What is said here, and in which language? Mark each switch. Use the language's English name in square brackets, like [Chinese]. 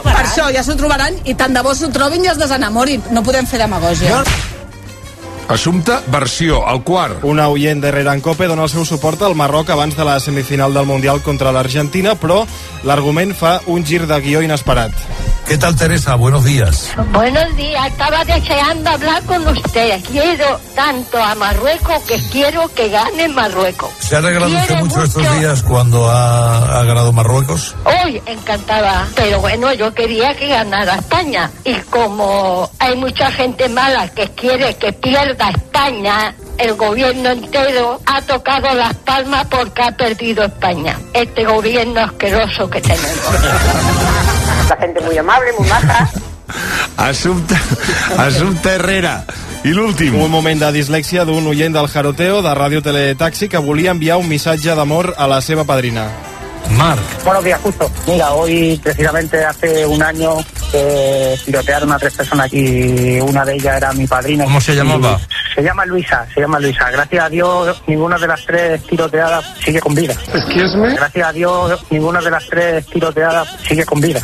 [Catalan] Per això, ja s'ho trobaran i tant de bo s'ho trobin i es desenamorin. No podem fer demagògia. Assumpte, versió, el quart. Una oient d'Herrera en Cope dona el seu suport al Marroc abans de la semifinal del Mundial contra l'Argentina, però l'argument fa un gir de guió inesperat. [Spanish] ¿Qué tal, Teresa? Buenos días. Buenos días. Estaba deseando hablar con usted. Quiero tanto a Marruecos que quiero que gane Marruecos. ¿Se ha regalado usted mucho estos días cuando ha ganado Marruecos? Hoy, encantada. Pero bueno, yo quería que ganara España. Y como hay mucha gente mala que quiere que pierda España... El gobierno entero ha tocado las palmas porque ha perdido España. Este gobierno asqueroso que tenemos. La gente muy amable, muy maja. [Catalan] Assumpte Herrera. I l'últim. Un moment de dislèxia d'un oient del Jaroteo de Ràdio Teletaxi que volia enviar un missatge d'amor a la seva padrina. Marc. [Spanish] Buenos días, justo. Mira, hoy precisamente hace un año tirotearon a tres personas y una de ellas era mi padrina. ¿Cómo se llamaba? Se llama Luisa, se llama Luisa. Gracias a Dios, ninguna de las tres tiroteadas sigue con vida. [English] Excuse me. [Spanish] Gracias a Dios, ninguna de las tres tiroteadas sigue con vida.